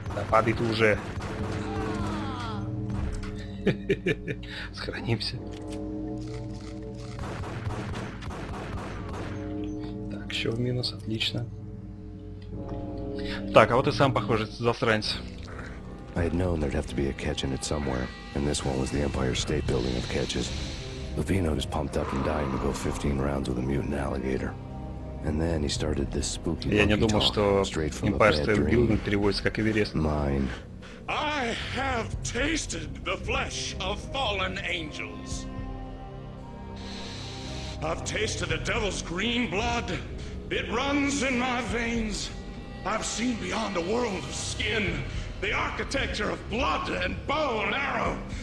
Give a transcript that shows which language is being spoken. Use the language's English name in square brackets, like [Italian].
[Russian] Падает уже. Сохранимся. Так, еще в минус, отлично. Так, а вот и сам, похоже, засранец. [English] I had known there'd have to be a catch in it somewhere, and this one was the Empire State Building of Catches. Lupino was pumped up and dying to go 15 rounds with a mutant alligator. And then he started this spooky monkey talk. [Russian] Я не думал, что Empire State Building переводится как Эверест. [English] Mine. I have tasted the flesh of fallen angels. I've tasted the devil's green blood. It runs in my veins. I've seen beyond a world of skin, the architecture of blood and bow and arrow.